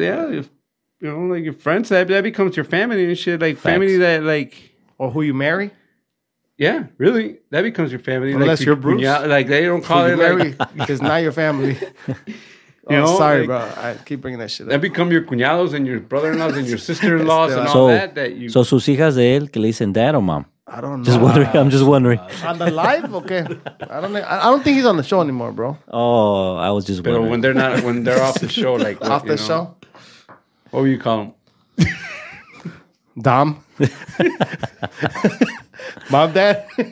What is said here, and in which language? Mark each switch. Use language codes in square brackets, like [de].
[en] Yeah, you know, like your friends, that becomes your family and shit. Like, facts. Family that, like... Or who you marry? Yeah, really. That becomes your family. Unless like, you're Bruce. Yeah, like, they don't call it Larry. Because not your family. You know, sorry, like, bro. I keep bringing that shit up. That become your cuñados and your brother-in-laws and your sister-in-laws and all so, that you... [es] So, sus hijas de él que le dicen [en] dad or mom? I don't know. Just wondering. I'm just wondering. On the live? Okay. I don't think he's on the show anymore, bro. Oh, I was just wondering. But when they're off the show, like... Off the show? What would you call him? Dom. Mom, dad?